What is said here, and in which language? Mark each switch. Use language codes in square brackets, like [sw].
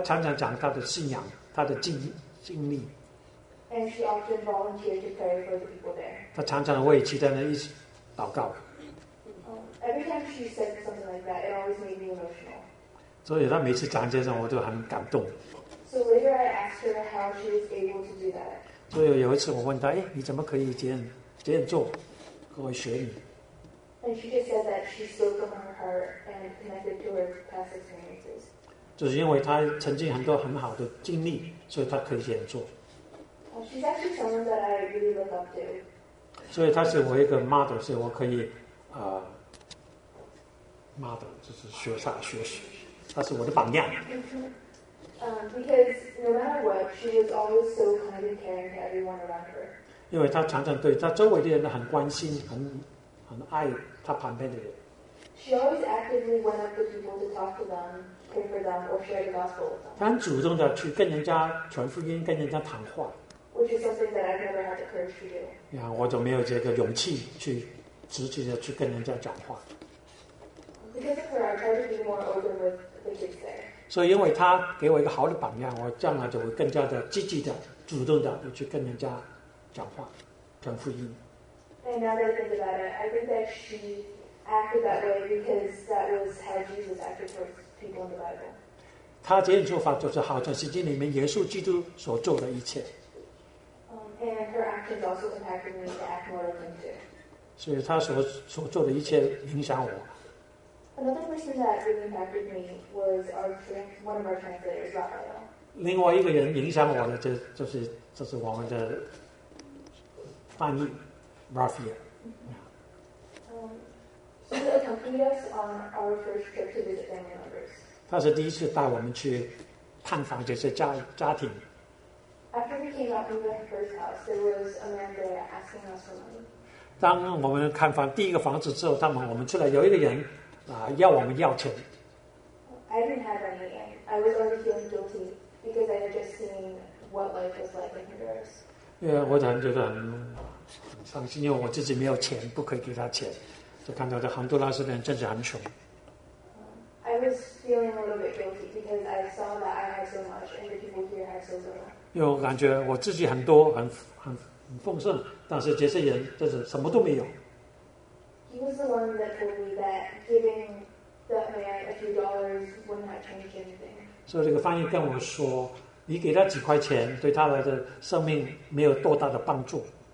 [zh] 常常讲她的信仰，她的经历。 [en] And she often volunteered to pray for the people there. [zh] 她常常为其他人一起祷告。 [en] Every time she said something like that, it always made me emotional. [zh] 所以她每次讲这种，我都很感动。 [en] So later I asked her how she was able to do that. [zh] 所以有一次我问她，你怎么可以这样做？跟我学你。 [en] And she just said that she spoke from her heart and connected to her past experiences. [zh] 就是因为她曾经很多很好的经历，所以她可以这样做。 [en] She's actually someone that I really look up to. [zh] 所以她是我一个 model， 所以我可以model 就是学啥学习，她是我的榜样。 [en] Because no matter what, she is always so kind and caring to everyone around her. [zh] 因为她常常对她周围的人很关心，很爱他旁边的人。 [en] She always actively went up to people to talk to them, pray for them, or share the gospel with them. [zh] 他很主动的去跟人家传福音，跟人家谈话。 [en] Which is something that I've never had the courage to do. [zh] 我就没有这个勇气去直接的去跟人家讲话。 [en] Because of her, I try to be more open with the kids there. [zh] 所以因为他给我一个好的榜样，我将来就会更加的积极的、主动的去跟人家讲话、传福音。 [en] And now that I think about it, I think that she acted that way because that was how Jesus acted towards people in the Bible. [zh] 她这样做法就是好像圣经里面耶稣基督所做的一切。 [en] And her actions also impacted me to act more like him too. [zh] 所以她所做的一切影响我。 [en] Another person that really impacted me was one of our translators, Raphael. [zh] 另外一个人影响我的就是我们的翻译。 [en] Raphael. He accompanied us on our first trip to visit family members. [zh] 他是第一次带我们去探访这些家庭。 [en] After we came out from the first house, there was a man there asking us for money. [zh] 当我们看房第一个房子之后，他们我们出来有一个人要我们要钱。 [en] I didn't have any. I was already feeling guilty because I had just seen what life was like in Honduras. [zh] 因为我就很觉得很伤心，因为我自己没有钱，不可以给他钱，就看到这杭州那些人真是很穷。 [en] I was feeling a little bit guilty because I saw that I had so much, and the people here had so little. [zh] 因为我感觉我自己很多，很丰盛，但是这些人就是什么都没有。 [en] He was the one that told me that giving the man a few dollars would not change anything. [zh] 所以这个翻译跟我说。你给他几块钱，对他来的生命没有多大的帮助。